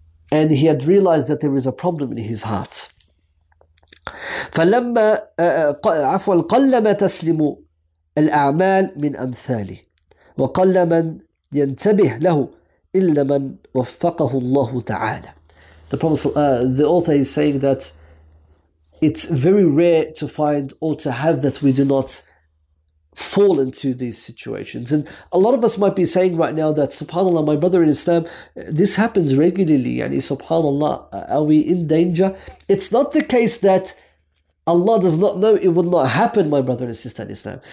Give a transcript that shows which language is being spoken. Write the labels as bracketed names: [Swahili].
[English] And he had realized that there is a problem in his heart. [Arabic] فلما عفوا قلما تسلم الأعمال من أمثاله وقل من ينتبه له إلا من وفقه الله تعالى. [English] The Prophet, the author is saying that it's very rare to find or to have that we do not fall into these situations. And a lot of us might be saying right now that, subhanAllah, my brother in Islam, this happens regularly. Yani, subhanAllah, are we in danger? It's not the case that Allah does not know it will not happen, my brother and sister in Islam.